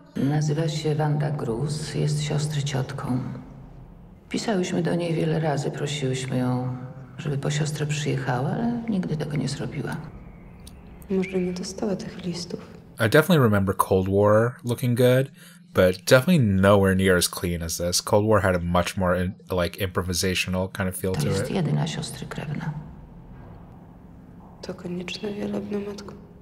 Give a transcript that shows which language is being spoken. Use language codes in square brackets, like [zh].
[pl] Nazywa się Wanda Gruz, jest siostry ciotką. Pisałyśmy do niej wiele razy, prosiłyśmy ją, żeby po siostrę przyjechała, ale nigdy tego nie zrobiła. Może nie dostała tych listów. [en] I definitely remember Cold War looking good, but definitely nowhere near as clean as this. Cold War had a much more like improvisational kind of feel to it. [pl] To jest jedyna siostry krewna. To konieczna wielobna matka.